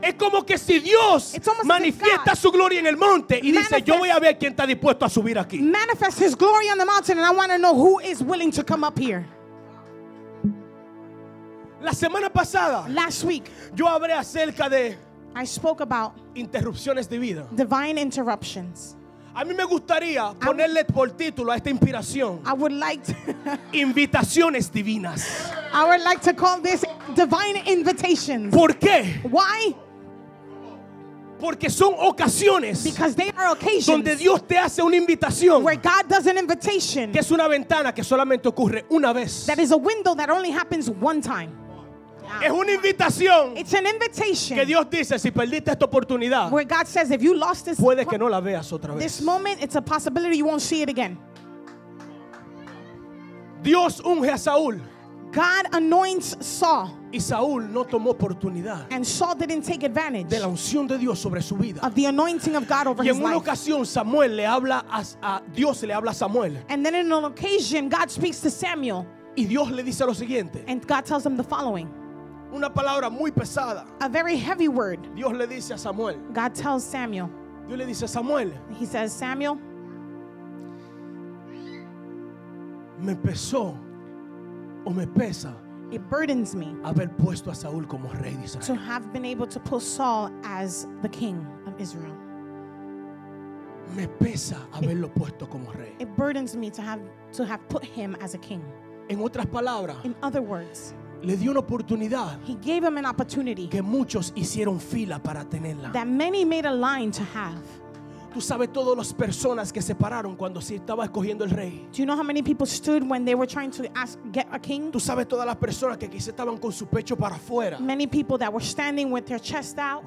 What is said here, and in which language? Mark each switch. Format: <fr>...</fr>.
<es>Es como que si Dios manifiesta su gloria en el monte y dice, yo voy a ver quién está dispuesto a subir aquí.</es> <en>Manifest his glory on the mountain and I want to know who is willing to come up here.</en> <es>La semana pasada,</es> <en>last week,</en> <es>yo hablé acerca de</es> <en>I spoke about</en> <es>interrupciones de vida.</es> <en>Divine interruptions.</en> <es>A mí me gustaría ponerle por título a esta inspiración.</es> <en>I would like to</en> <es>invitaciones divinas.</es> <en>I would like to call this divine invitations.</en> <es>¿Por qué?</es> <en>Why?</en> <es>Porque son ocasiones.</es> <en>Because they are occasions.</en> <es>Donde Dios te hace una invitación.</es> <en>Where God does an invitation.</en> <es>Que es una ventana que solamente ocurre una vez.</es> <en>That is a window that only happens one time.</en> <es>Es una invitación.</es> <en>It's an invitation.</en> <es>Que Dios dice, si perdiste esta oportunidad,</es> <en>where God says, if you lost this,</en> <es>puede que no la veas otra vez.</es> <en>This moment, it's a possibility you won't see it again.</en> <es>Dios unge a Saúl.</es> <en>God anoints Saul.</en> <es>Y Saúl no tomó oportunidad.</es> <en>And Saul didn't take advantage.</en> <es>De la unción de Dios sobre su vida.</es> <en>Of the anointing of God over his life.</en> <es>Y en una ocasión Samuel le habla a Dios le habla a Samuel.</es> <en>And then in an occasion God speaks to Samuel.</en> <es>Y Dios le dice lo siguiente.</es> <en>And God tells him the following.</en> <es>Una palabra muy pesada.</es> <en>A very heavy word.</en> <es>Dios le dice a Samuel.</es> <en>God tells Samuel.</en> <es>Dios le dice a Samuel.</es> <en>He says, Samuel.</en> <es>Me pesó o me pesa.</es> <en>It burdens me.</en> <es>Haber puesto a Saúl como rey de Israel.</es> <en>To have been able to put Saul as the king of Israel.</en> <es>Me pesa haberlo puesto como rey.</es> <en>It burdens me to have put him as a king.</en> <es>En otras palabras.</es> <en>In other words.</en> <es>Le dio una oportunidad.</es> <en>He gave him an opportunity.</en> <es>Que muchos hicieron fila para tenerla.</es> <en>That many made a line to have.</en> <es>Tú sabes todas las personas que se pararon cuando se estaba escogiendo el rey.</es> <en>Do you know how many people stood when they were trying to ask get a king?</en> <es>Tú sabes todas las personas que quizás estaban con su pecho para afuera.</es> <en>Many people that were standing with their chest out.</en>